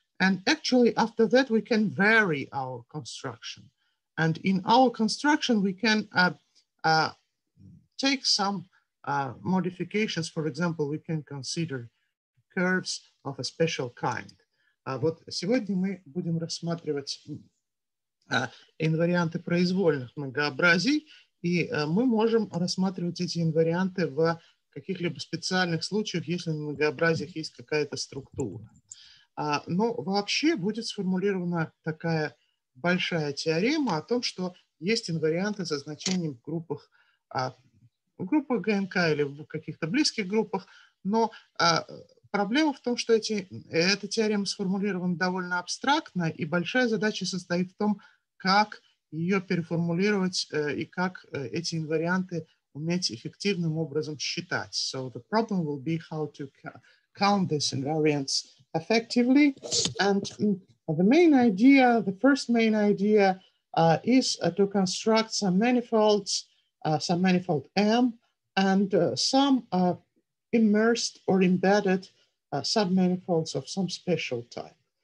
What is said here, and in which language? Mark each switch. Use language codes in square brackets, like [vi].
[en] And actually, after that, we can vary our construction. And in our construction, we can take some modifications. For example, we can consider curves of a special kind. [ru] Вот сегодня мы будем рассматривать инварианты произвольных многообразий, и мы можем рассматривать эти инварианты в каких-либо специальных случаях, если на многообразиях есть какая-то структура. Но вообще будет сформулирована такая большая теорема о том, что есть инварианты со значением в группах, ГНК или в каких-то близких группах, но проблема в том, что эта теорема сформулирована довольно абстрактно, и большая задача состоит в том, как ее переформулировать и как эти инварианты уметь эффективным образом считать. [en] So the problem will be how to count these invariants effectively. And the main idea, the first main idea is to construct some manifolds, some manifold M, and some immersed or embedded submanifolds of some special type.